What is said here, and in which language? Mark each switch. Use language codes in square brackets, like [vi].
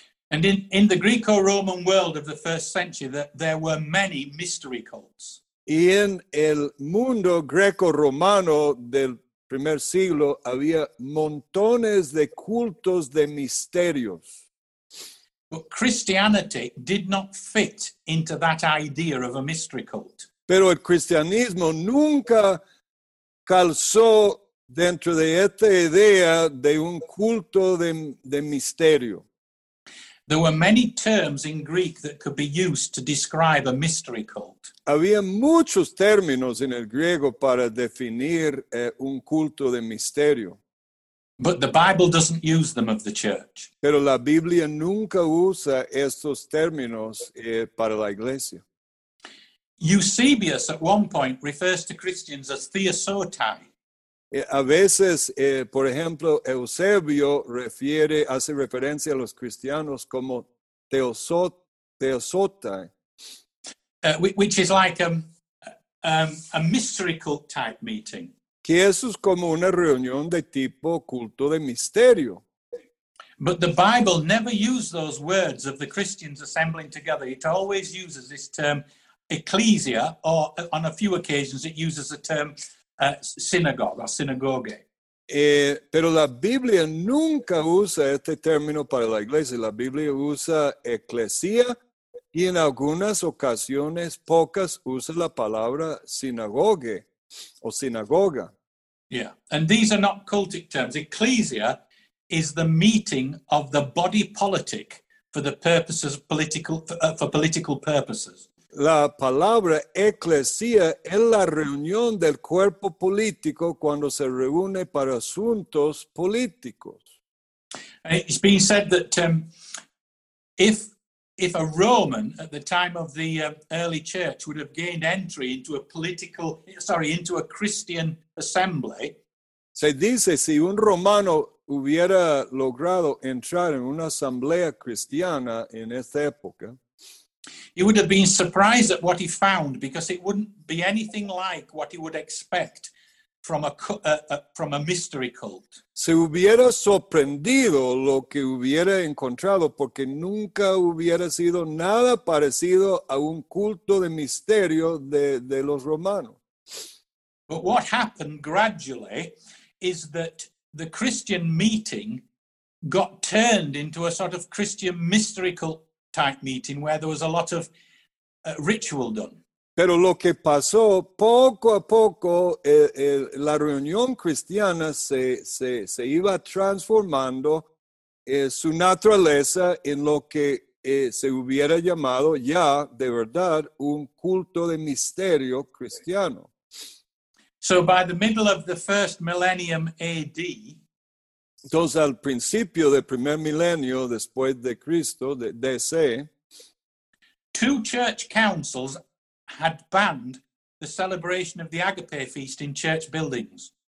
[en] And in the Greco-Roman world of the first century, there were many mystery cults. [es] Y en el mundo greco-romano del primer siglo había montones de cultos de misterios. [en] But Christianity did not fit into that idea of a mystery cult. [es] Pero el cristianismo nunca calzó dentro de esta idea de un culto de misterio. [en] There were many terms in Greek that could be used to describe a mystery cult. [es] Había muchos términos en el griego para definir un culto de misterio. [en] But the Bible doesn't use them of the church. [es] Pero la Biblia nunca usa estos términos para la iglesia. [en] Eusebius at one point refers to Christians as theosotai. [es] A veces, por ejemplo, Eusebio hace referencia a los cristianos como theosotai. [en] Which is like a mystery cult type meeting. [es] Que eso es como una reunión de tipo culto de misterio. [en] But the Bible never used those words of the Christians assembling together. It always uses this term ecclesia, or on a few occasions it uses the term synagogue or synagoge. [es] Pero la Biblia nunca usa este término para la iglesia. La Biblia usa eclesia y en algunas ocasiones pocas usa la palabra sinagoge. [en] Or synagogue. Yeah, and these are not cultic terms. Ecclesia is the meeting of the body politic for the purposes of political for political purposes. [es] La palabra eclesia es la reunión del cuerpo político cuando se reúne para asuntos políticos. [en] It's being said that if a Roman at the time of the early church would have gained entry into a Christian assembly. [es] Se dice si un romano hubiera logrado entrar en una asamblea cristiana en esta época. [en] He would have been surprised at what he found, because it wouldn't be anything like what he would expect from a mystery cult. [es] Se hubiera sorprendido lo que hubiera encontrado, porque nunca hubiera sido nada parecido a un culto de misterio de los romanos. [en] But what happened gradually is that the Christian meeting got turned into a sort of Christian mystery cult type meeting where there was a lot of ritual done. [es] Pero lo que pasó, poco a poco, la reunión cristiana se iba transformando su naturaleza en lo que se hubiera llamado ya, de verdad, un culto de misterio cristiano. [en] So by the middle of the first millennium AD. [es] Entonces al principio del primer milenio después de Cristo, de DC. [en] Two church councils had banned the celebration of the Agape Feast in church buildings.